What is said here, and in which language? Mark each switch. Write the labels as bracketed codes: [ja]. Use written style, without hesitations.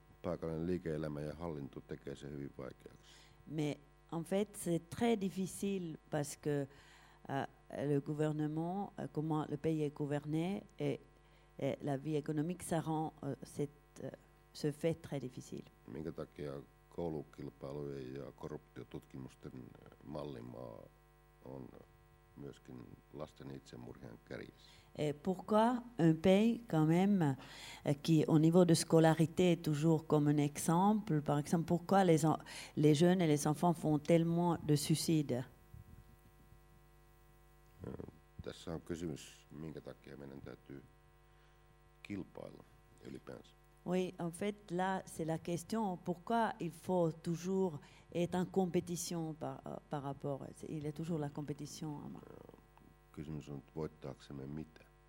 [fi] Paikallinen liike-elämä ja hallinto tekee se hyvin vaikeaksi. [fr] Mais en fait, c'est très difficile parce que le gouvernement, comment le pays est gouverné et la vie économique, ça rend ce fait très difficile. [fi] Minkä takia koulukilpailujen ja korruptiotutkimusten mallimaa on myöskin lasten itsemurhien kärjessä. [fr] Et pourquoi un pays quand même qui au niveau de scolarité est toujours comme un exemple, par exemple, pourquoi les jeunes et les enfants font tellement de suicides? [fi] Tässä on kysymys, minkä takia meidän täytyy kilpailla ylipäänsä. [fr] Oui, en fait, là, c'est la question, pourquoi il faut toujours être en compétition par rapport, il y a toujours la compétition. [fi] Kysymys on, voittaaksemme mitä?